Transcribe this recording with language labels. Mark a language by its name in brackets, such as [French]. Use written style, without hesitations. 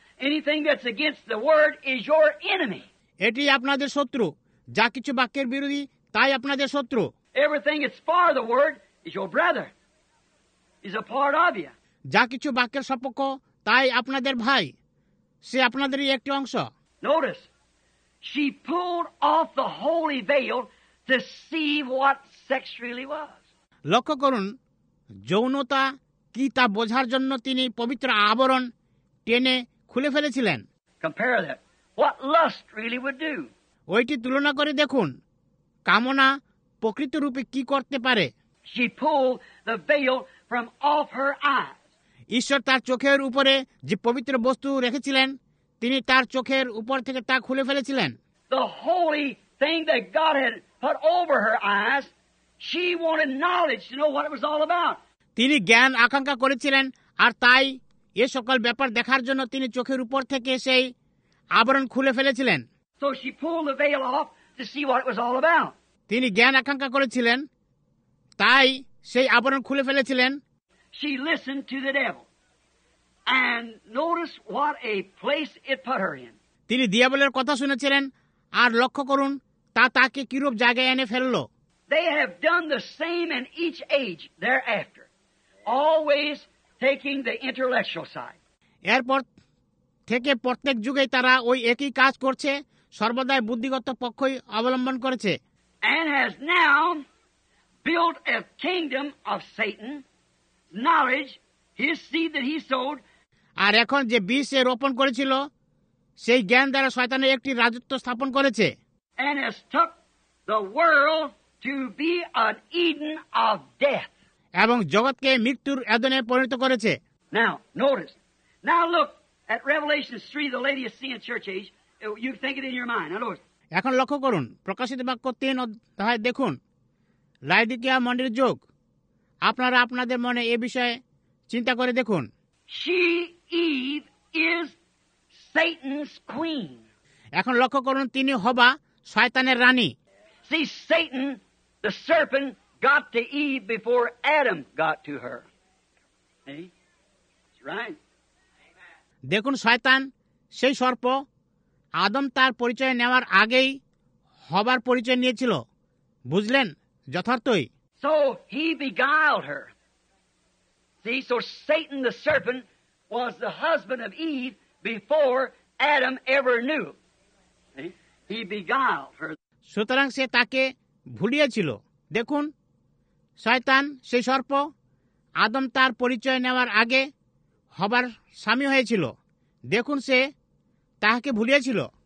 [English] Anything that's against the word is your enemy. [Bangla] এটি আপনাদের শত্রু, যা কিছু বাক্যের বিরোধী তাই আপনাদের শত্রু। [English] Everything that's for the word is your brother. Is a part of you. [Bangla] যা কিছু বাক্যের সপক্ষ তাই আপনাদের ভাই, সে আপনাদেরই একটি অংশ। [English] Notice, she pulled off the holy veil to see what sex really was. [Bangla] লক্ষ্য করুন, যৌনতা কি তা বোঝার জন্য তিনি পবিত্র আবরণ টেনে খুলে ফেলেছিলেন। [English] Compare that. What lust really would do. [Bangla] ওইটি তুলনা করে দেখুন, কামনা প্রকৃত রূপে কি করতে পারে। [English] She pulled the veil from off her eyes. [Bangla] ঈশ্বর তার চোখের উপরে যে পবিত্র বস্তু রেখেছিলেন, তিনি তার চোখের উপর থেকে তা খুলে ফেলেছিলেন। [English] The holy thing that God had put over her eyes, she wanted knowledge to know what it was all about. [Bangla] তিনি জ্ঞান আকাঙ্ক্ষা করেছিলেন, আর তাই এ সকল ব্যাপার দেখার জন্য তিনি চোখের উপর থেকে সেই আবরণ খুলে ফেলেছিলেন। [English] So she pulled the veil off to see what it was all about. [Bangla] তিনি জ্ঞান আকাঙ্ক্ষা করেছিলেন, তাই সেই আবরণ খুলে ফেলেছিলেন। [English] She listened to the devil and notice what a place it put her in. [Bangla] তিনি দিয়াবলের কথা শুনেছিলেন, আর লক্ষ্য করুন তা তাকে কিরূপ জায়গায় এনে ফেললো। [English] They have done the same in each age thereafter. Always taking the intellectual side. [Bangla] এরপর থেকে প্রত্যেক যুগে তারা ওই একই কাজ করছে, সর্বদাই বুদ্ধিগত পক্ষই অবলম্বন করেছে। [English] And has now built a kingdom of Satan, knowledge, his seed that he sowed. [Bangla] আর এখন যে বীজ সে রোপণ করেছিল, সেই জ্ঞান দ্বারা শয়তানের একটি রাজত্ব স্থাপন করেছে। [English] And has took the world to be an Eden of death. [Bangla] এবং জগৎকে মৃত্যুর এদনে পরিণত করেছে। [English] Now, notice. Now look at Revelation 3, the Laodicean church age. You think it in your mind. Now, [Bangla] এখন লক্ষ্য করুন, প্রকাশিত বাক্য 3 অধ্যায় দেখুন, লাওদিকিয়া মণ্ডলীর যুগ। আপনারা আপনাদের মনে এ বিষয়ে চিন্তা করে দেখুন। [English] She, Eve, is Satan's queen. [Bangla] এখন লক্ষ্য করুন, তিনি হবা শয়তানের রানী। [English] See, Satan, the serpent, got to Eve before Adam got to her. Hey? That's right. [Bangla] দেখুন, শয়তান সেই সর্প আদম তার পরিচয় নেওয়ার আগেই হবার পরিচয় নিয়েছিল, বুঝলেন যথার্থই। [English] So he beguiled her. See, so Satan the serpent was the husband of Eve before Adam ever knew. He beguiled her. [Bangla] সুতরাং সে তাকে ভুলিয়েছিল, দেখুন শয়তান সেই সর্প আদম তার পরিচয় নেওয়ার আগে হবার স্বামী হয়েছিল, দেখুন সে তাহাকে ভুলিয়েছিল।